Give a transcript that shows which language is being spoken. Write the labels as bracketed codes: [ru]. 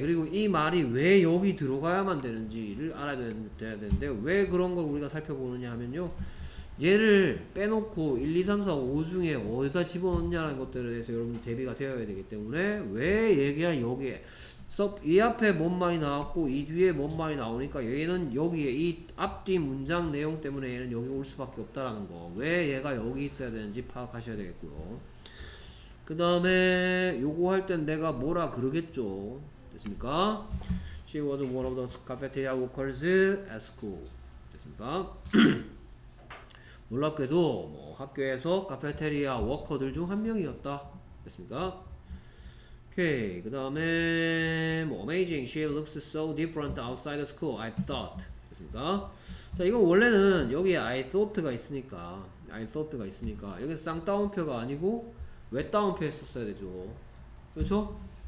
[ko] 그리고 이 말이 왜 여기 들어가야만 되는지를 알아야 되는데 왜 그런 걸 우리가 살펴보느냐 하면요, 얘를 빼놓고 1, 2, 3, 4, 5 중에 어디다 집어넣냐라는 것들에 대해서 여러분 대비가 되어야 되기 때문에 왜 얘기야 여기에 이 앞에 뭔 말이 나왔고 이 뒤에 뭔 말이 나오니까 얘는 여기에 이 앞뒤 문장 내용 때문에 얘는 여기 올 수밖에 없다라는 거, 왜 얘가 여기 있어야 되는지 파악하셔야 되겠고요. 그 다음에 요거 할 땐 내가 뭐라 그러겠죠. 됐습니까? [en] She was one of the cafeteria workers at school. [ko] 됐습니까? 놀랍게도 뭐 학교에서 카페테리아 워커들 중 한 명이었다. 됐습니까? 오케이. 그 다음에 뭐, Amazing. [en] She looks so different outside of school. I thought. [ko] 됐습니까? 자, 이거 원래는 여기에 I thought가 있으니까 여기 쌍따옴표가 아니고 왜 따옴표에 썼어야 되죠. 그렇죠?